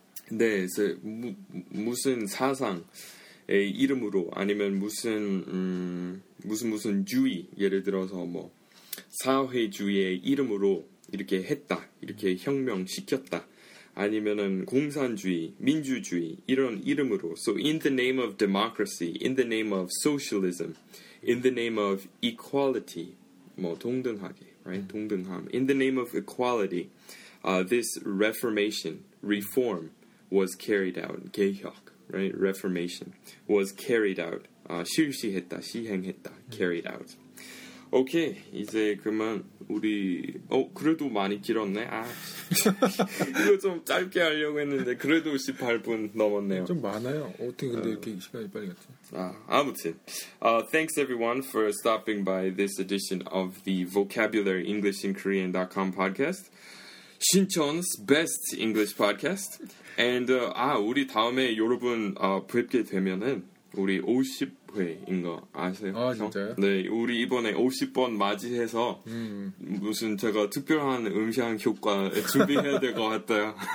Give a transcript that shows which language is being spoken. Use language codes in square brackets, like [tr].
[ko] 네, 그래서 무슨 사상의 이름으로 아니면 무슨 무슨 주의, 예를 들어서 뭐 사회주의의 이름으로 이렇게 했다, 이렇게 혁명시켰다, 아니면은 공산주의, 민주주의 이런 이름으로. [en] So in the name of democracy, in the name of socialism, in the name of equality, [ko] 뭐 동등하게, [en] right? [ko] 동등함. [en] In the name of equality, this reform was carried out. [ko] 개혁, [en] right? Reformation was carried out. [ko] 실시했다, 시행했다, carried out. 오케이, 이제 그만 우리 그래도 많이 길었네. 아 이거 좀 짧게 하려고 했는데 그래도 18분 넘었네요. 좀 많아요. 어떻게 근데 이렇게 시간이 빨리 갔지? 아무튼 [en] thanks everyone for stopping by this edition of the vocabulary English in Korean.com podcast, 신촌's best English podcast. And [ko] 우리 다음에 여러분 뵙게 되면은 우리 50 회인 거 아세요? 아 진짜요? 네, 우리 이번에 50번 맞이해서 무슨 제가 특별한 음향 효과 준비해야 될 것 같아요.